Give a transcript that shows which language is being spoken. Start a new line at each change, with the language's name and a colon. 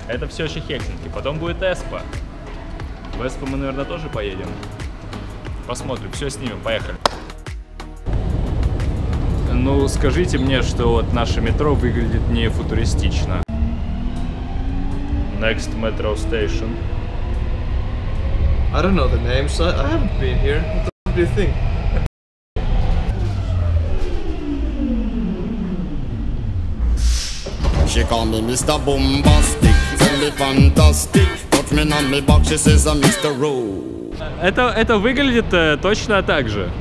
Russian: Это все еще Хельсинки. Потом будет Эспо. В Эспо мы, наверное, тоже поедем. Посмотрим, все снимем. Поехали. Ну, скажите мне, что вот наше метро выглядит не футуристично.
English: Next metro station. I don't know the names, so I haven't been here. What the fuck do you think? She called me Mr. Bombastic, tell me fantastic, put me on my box, she says I'm Mr. Roo.
Russian: Это выглядит точно так же.